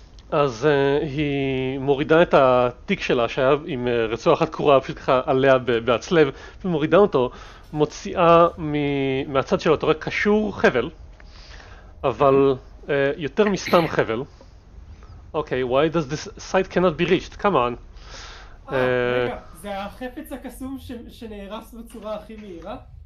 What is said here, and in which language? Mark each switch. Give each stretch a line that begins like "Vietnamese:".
Hebrew: אז היא מורידה את התיק שלה שהיה עם רצועה אחת קורה פשוט ככה עליה בעצלב, ומורידה אותו, מוציאה מהצד שלו, אתה רואה קשור חבל, אבל יותר מסתם חבל.
English: אוקיי, why does this site cannot be reached? Come on.
Hebrew: רגע, זה החפץ הקסום שנהרס בצורה הכי מהירה?